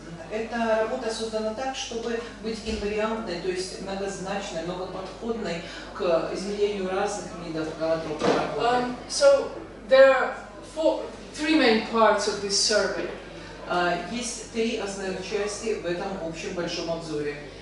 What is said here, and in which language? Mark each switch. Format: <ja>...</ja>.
<ru>Эта работа создана так, чтобы быть инвариантной, то есть многозначной, многоподходной к измерению разных видов холотропной работы.</ru> <en>So there are three main parts of this survey.</en> <ru>Есть три основные части в этом общем большом обзоре.</ru>